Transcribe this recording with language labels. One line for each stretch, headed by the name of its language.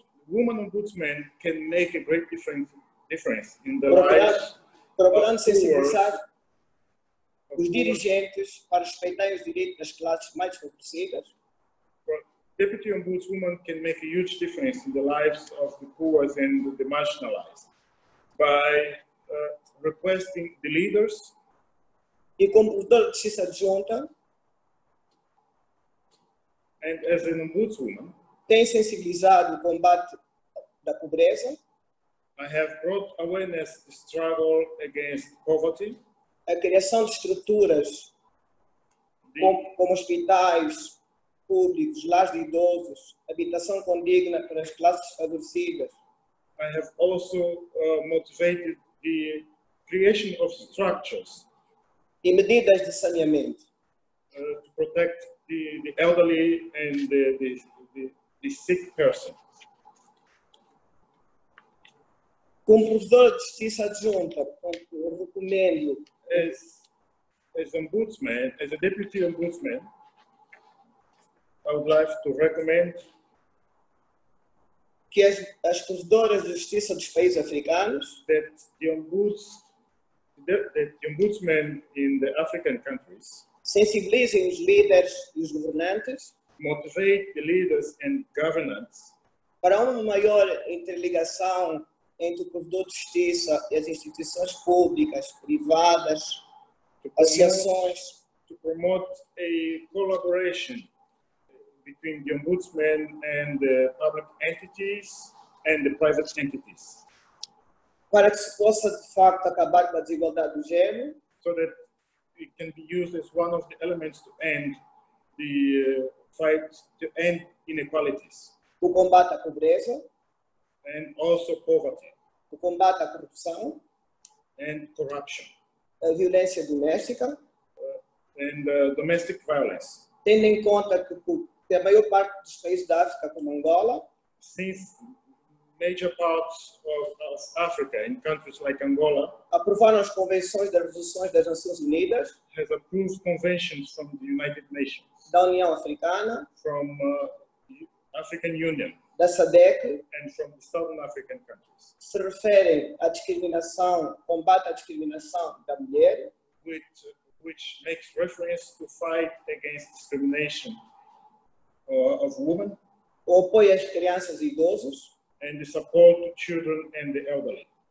English: Women Ombudsmen can make a great difference in the lives.
Portuguese: Procurando sensibilizar os dirigentes para respeitar os direitos das classes mais favorecidas.
English: Deputy Ombudswoman can make a huge difference in the lives of the poor and the marginalized by requesting the leaders.
Portuguese: E como Provedora de Justiça Adjunta,
English: and as an Ombudswoman,
Portuguese: tem sensibilizado o combate da pobreza.
English: I have brought awareness to struggle against poverty.
Portuguese: A criação de estruturas como hospitais públicos, lares de idosos, habitação condigna para as classes favorecidas.
English: I have also motivated the creation of structures.
Portuguese: E medidas de saneamento.
English: To protect the elderly and the sick person.
Portuguese: Como Provedora de Justiça Adjunta, eu recomendo.
English: As Ombudsman, as a Deputy Ombudsman, I would like to recommend
Portuguese: que as Provedoras de Justiça dos países africanos,
English: that the Ombudsman in the African countries,
Portuguese: sensibilizem os líderes e os governantes,
English: motivate the leaders and governants,
Portuguese: para uma maior interligação entre o Provedor de Justiça e as instituições públicas, privadas, associações.
English: To promote a collaboration between the Ombudsman and the public entities and the private entities.
Portuguese: Para que se possa, de facto, acabar com a desigualdade do género.
English: So that it can be used as one of the elements to end the fight, to end inequalities.
Portuguese: O combate à pobreza.
English: And also poverty.
Portuguese: O combate à corrupção
English: and corruption,
Portuguese: a violência doméstica,
English: and domestic violence.
Portuguese: Tendo em conta que a maior parte dos países da África, como Angola,
English: since major parts of Africa in countries like Angola,
Portuguese: aprovaram as convenções das resoluções das Nações Unidas,
English: has approved conventions from the United Nations,
Portuguese: da União Africana,
English: from African Union,
Portuguese: da SADC,
English: and from the Southern African countries,
Portuguese: se referem à discriminação, combate à discriminação da mulher,
English: which makes reference to fight against discrimination of women,
Portuguese: ou apoio às crianças e idosos,
English: and the support to children and the elderly.